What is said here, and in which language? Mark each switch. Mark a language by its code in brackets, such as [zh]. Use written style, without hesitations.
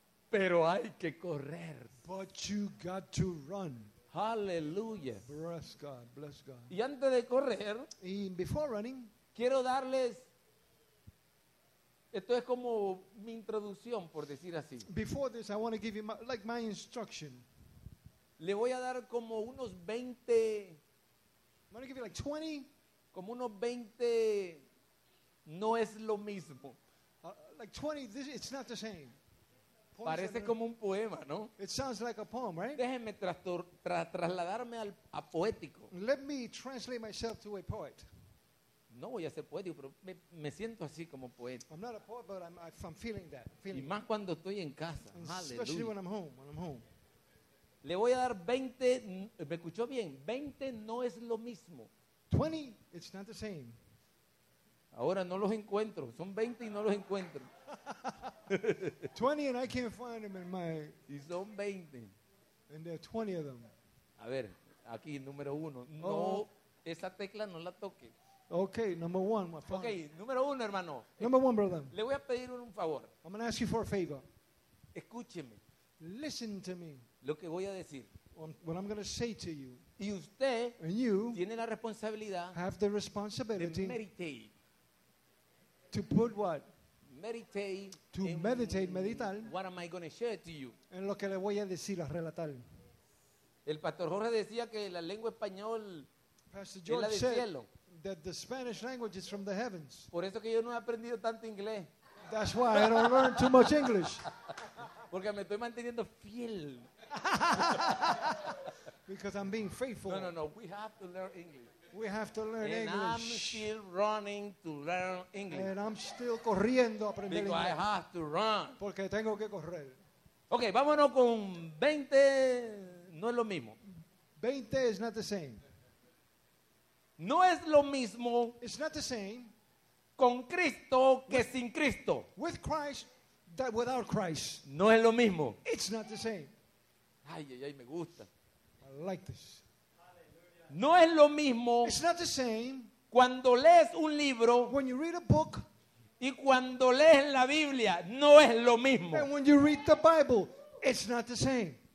[es] Pero hay que correr. [en] But you got to run. Hallelujah. Bless God, bless God. [es] Y antes de correr, [en] and before running, [es] quiero darles, esto es como mi introducción, por decir así. [en] Before this, I want to give you my, like my instruction. [es] Le voy a dar como unos 20. [en] I'm going to give you like 20. [es] Como unos 20, no es lo mismo. [en] Like 20, this, it's not the same. [es] Parece como un poema, ¿no? [en] It sounds like a poem, right? [es] Déjenme trasladarme a poético. [en] Let me translate myself to a poet. [es] No voy a ser poético, pero me siento así como poeta. [en] I'm not a poet, but I'm feeling that. Feeling [es] y más cuando estoy en casa. [en] Especially [es] aleluya. [en] When I'm home, when I'm home. [es] Le voy a dar 20, ¿me escuchó bien? 20 no es lo mismo. [en] 20, it's not the same. [es] Ahora no los encuentro. Son 20 y no los encuentro. [en] 20 and I can't find them in my. [es] Y son 20. [en] And there are 20 of them. [es] A ver, aquí número uno. Oh. No, esa tecla no la toque. [en] Okay, number one, my friend. [es] Okay, número uno, hermano. [en] Number one, brother. [es] Le voy a pedir un favor. [en] I'm going to ask you for a favor. [es] Escúcheme. [en] Listen to me. [es] Lo que voy a decir. [en] What I'm going to say to you. [es] Y usted [en] and you [es] tiene la responsabilidad [en] have the responsibility [es] de [en] meditate. To put what? Meditate. To meditate, [es] meditar. [en] What am I going to share to you? [es] En lo que le voy a decir, a relatar. El pastor Jorge decía que la lengua español es la del cielo. [en] That the Spanish language is from the heavens. [es] Por eso que yo no he aprendido tanto inglés. [en] That's why I don't learn too much English. [es] Porque me estoy manteniendo fiel. [en] Because I'm being faithful. No. We have to learn English. We have to learn and English. And I'm still running to learn English. And I'm still [es] corriendo a aprender [en] Because [es] inglés. [en] Because I have to run. [es] Porque tengo que correr. Okay, vámonos con 20. No es lo mismo. [en] 20 is not the same. [es] No es lo mismo. [en] It's not the same. [es] Con Cristo que sin Cristo. [en] With Christ that without Christ. [es] No es lo mismo. [en] It's not the same. [es] Ay, me gusta. [en] I like this. [es] No es lo mismo. [en] It's not the same. [es] Cuando lees un libro. [en] When you read a book. [es] Y cuando lees la Biblia, no es lo mismo. [en] And when you read the Bible, it's not the same.